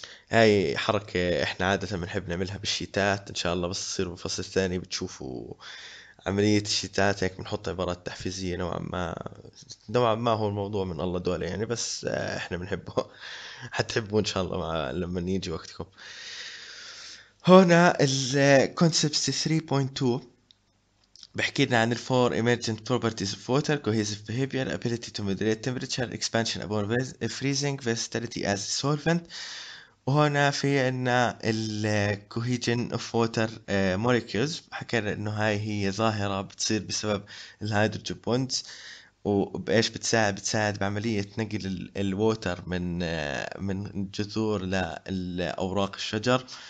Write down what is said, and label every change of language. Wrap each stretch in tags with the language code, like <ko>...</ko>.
<ar>هاي حركة احنا عادة بنحب نعملها بالشيتات، ان شاء الله بس تصير بفصل ثاني بتشوفوا عملية الشيتات، هيك بنحط عبارات تحفيزية نوعا ما هو الموضوع من الله دولة يعني، بس احنا بنحبه، حتحبوه ان شاء الله لما يجي وقتكم.</ar> <en>هنا ال concepts 3.2</en> <ar>بحكي لنا عن الفور</ar> <en>emergent properties of water: cohesive behavior, ability to moderate temperature, expansion upon freezing, versatility as a solvent.</en> <ar>وهنا في عنا الكوهيجين اوف ووتر موليكيولز، حكينا انه هاي هي ظاهرة بتصير بسبب الهيدروجين بوندز، وبايش بتساعد؟ بتساعد بعملية نقل الووتر من الجذور لأوراق الشجر،</ar>